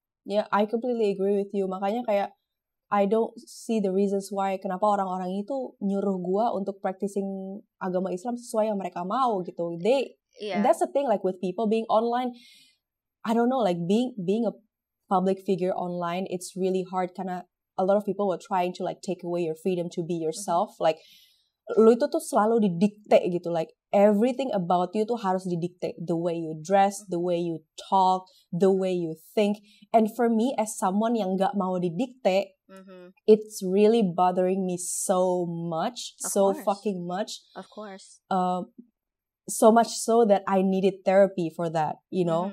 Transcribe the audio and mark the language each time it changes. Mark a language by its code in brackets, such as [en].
[en] Yeah, I completely agree with you. [id] Makanya kayak [en] I don't see the reasons why [id] kenapa orang-orang itu nyuruh gua untuk practicing agama Islam sesuai yang mereka mau gitu. [en] That's the thing like with people being online. I don't know, like being a public figure online, it's really hard karena a lot of people were trying to like take away your freedom to be yourself. Mm-hmm. [id] Like, lu itu tuh selalu didikte gitu. [en] Like, everything about you [id] tuh harus didikte. [en] The way you dress, mm-hmm. the way you talk, the way you think. And for me, as someone [id] yang gak mau didikte, [en] mm-hmm. it's really bothering me so much. Fucking much. Of course. So much so that I needed therapy for that, you know?